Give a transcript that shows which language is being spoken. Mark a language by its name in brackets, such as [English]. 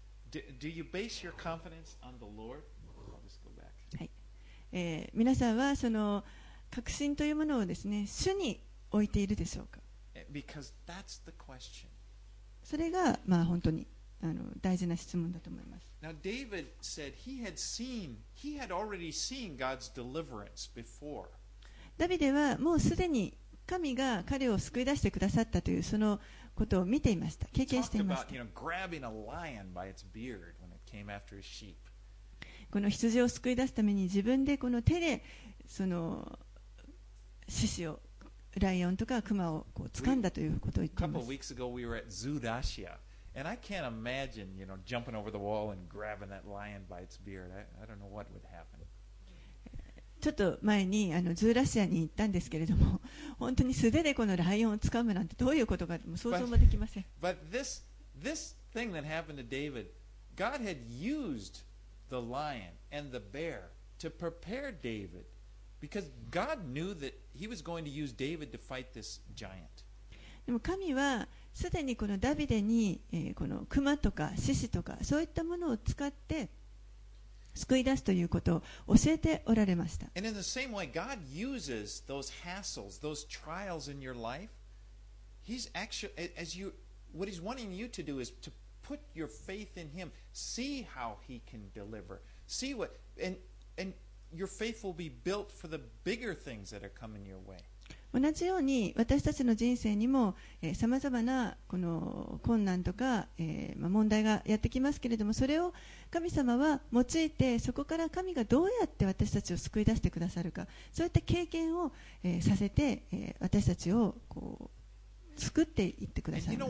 [English] Do you base your confidence on the Lord? I'll just go back. [Japanese] はい。皆さんはその確信というものをですね、主に置いているでしょうか。 [English] Because that's the question. [Japanese] それがまあ本当に。大事な質問だと思います。 [English] Now David said he had already seen God's deliverance before. [Japanese] ダビデはもうすでに神が彼を救い出してくださったというそのことを見ていました。経験していました。 [English] Talk about, grabbing a lion by its beard when it came after his sheep. [Japanese] この羊を救い出すために自分でこの手でその獅子をライオンとか熊をこう掴んだということを言っています。 [English] Couple weeks ago we were at Zudashia. And I can't imagine, you know, jumping over the wall and grabbing that lion by its beard. I don't know what would happen. [Japanese] ちょっと前にズーラシアに行ったんですけれども、本当に素手でこのライオンを掴むなんてどういうことか想像もできません。 [English] But this thing that happened to David, God had used the lion and the bear to prepare David, because God knew that He was going to use David to fight this giant. [Japanese] でも神はすでにこのダビデに、このクマとか獅子とかそういったものを使って救い出すということを教えておられました。 [English] And in the same way, God uses those hassles, those trials in your life. He's actually, as you, what He's wanting you to do is to put your faith in Him, see how He can deliver, see what, and your faith will be built for the bigger things that are coming your way. [Japanese] 同じように私たちの人生にも、様々なこの困難とか、問題がやってきますけれどもそれを神様は用いてそこから神がどうやって私たちを救い出してくださるかそういった経験を、させて、私たちをこう作っていってくださいます。